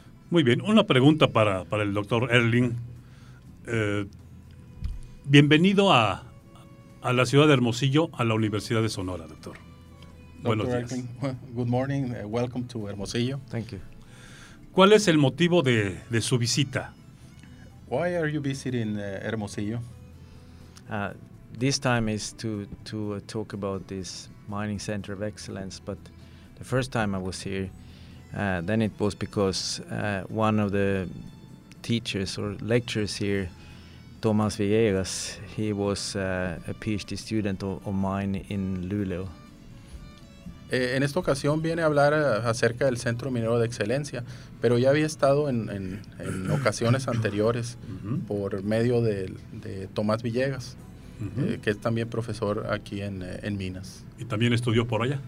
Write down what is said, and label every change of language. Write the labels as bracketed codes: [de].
[es] Muy bien, una pregunta para el doctor Erling. Bienvenido a la ciudad de Hermosillo, a la Universidad de Sonora, doctor. Buenos días. [en] Good morning. Welcome to Hermosillo. Thank you. [es] ¿Cuál es el motivo de su visita? [en] Why are you visiting Hermosillo? This time is to talk about this mining center of excellence. But the first time I was here, then it was because one of the teachers or lecturers here, Thomas Villegas, he was a PhD student of mine in Luleå. [es] En esta ocasión viene a hablar acerca del Centro Minero de Excelencia, pero ya había estado en ocasiones anteriores por medio de Tomás Villegas, que es también profesor aquí en Minas. ¿Y también estudió por allá?